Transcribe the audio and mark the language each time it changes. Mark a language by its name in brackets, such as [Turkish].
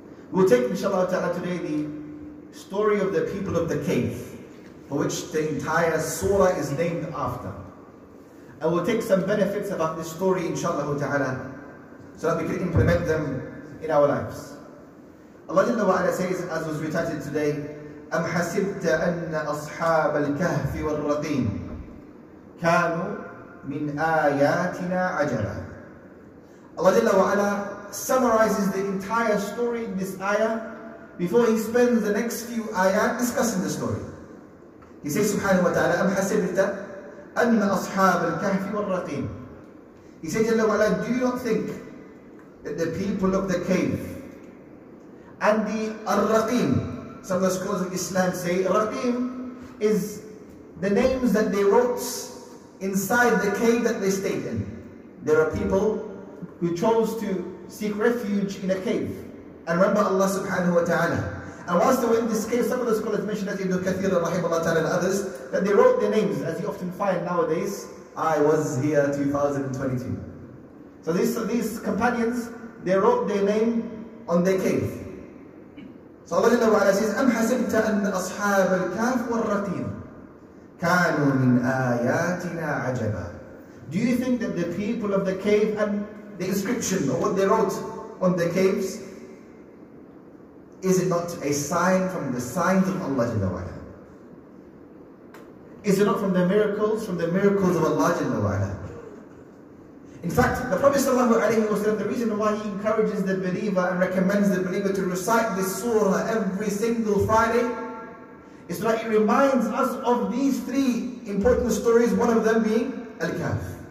[English] We'll take inshallah ta'ala today the story of the people of the cave, for which the entire surah is named after. And we'll take some benefits about this story inshallah ta'ala, so that we can implement them in our lives. Allah jalla wa ala says, as was recited today, [Arabic] أَمْ حَسِبْتَ أَنَّ أَصْحَابَ الْكَهْفِ وَالرَّقِيمِ كَانُوا مِنْ آيَاتِنَا عَجَلًا. [English] Allah jalla wa ala summarizes the entire story in this ayah before He spends the next few ayahs discussing the story. He says subhanahu wa ta'ala, [Arabic] أَمْ حَسِبْتَ أَنَّ أَصْحَابَ الْكَهْفِ وَالرَّقِيمِ. [English] He says jalla wa ala, do you not think that the people of the cave and the Ar-Raqim, some of the scholars of Islam say Raqim is the names that they wrote inside the cave that they stayed in. There are people who chose to seek refuge in a cave and remember Allah subhanahu wa ta'ala. And whilst they were in this cave, some of the scholars mentioned that Ibn Kathir rahimahullah ta'ala and others, that they wrote their names, as you often find nowadays, I was here 2022. So these companions, they wrote their name on their cave. So Allah jalla wa ala says, [Arabic] أَمْ حَسِبْتَ أَنَّ أَصْحَابَ الْكَافِ وَالرَّقِيمِ كَانُوا مِنْ آيَاتِنَا عَجَبًا. [English] Do you think that the people of the cave and the inscription or what they wrote on the caves, is it not a sign from the signs of Allah jalla wa ala? Is it not from the miracles, of Allah jalla wa ala? In fact, the Prophet sallallahu alayhi wa sallam, the reason why he encourages the believer and recommends the believer to recite this surah every single Friday is so that it reminds us of these three important stories, one of them being Al-Kahf.